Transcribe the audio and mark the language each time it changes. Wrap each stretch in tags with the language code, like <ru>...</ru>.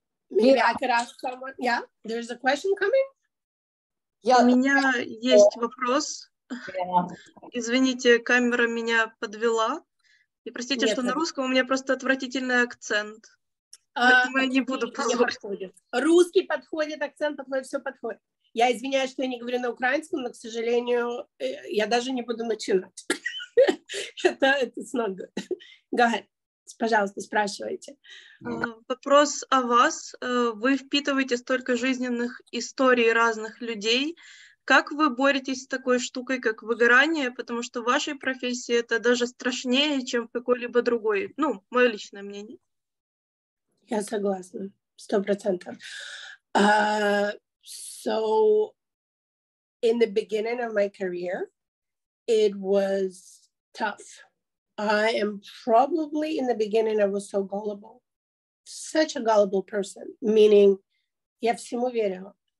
<en>Maybe I could ask someone. Yeah, there's a question coming.</en> <uk>Yeah. У мене є вопрос. Yeah.</uk> <ru>Извините,</ru> <uk>камера мене підвела.</uk> <ru>І простите, yeah, що на русском, у мене просто отвратительний акцент.</ru> <uk>Тому я не буду подходити.</uk> <ru>Русский подходит, акцент подходит, все подходит. Я извиняюсь, что я не говорю на украинском, но, к сожалению, я даже не буду начинать.</ru> <en>It's not good. Go ahead.</en> <ru>Пожалуйста, спрашивайте. Вопрос о вас. Вы впитываете столько жизненных историй разных людей. Как вы боретесь с такой штукой, как выгорание? Потому что в вашей профессии это даже страшнее, чем в какой-либо другой. Ну, мое личное мнение. Я согласна. 100%.</ru> <en>So, in the beginning of my career, it was tough. I am probably, in the beginning, I was so gullible. Such a gullible person. Meaning,</en> <ru>я всему верила.</ru>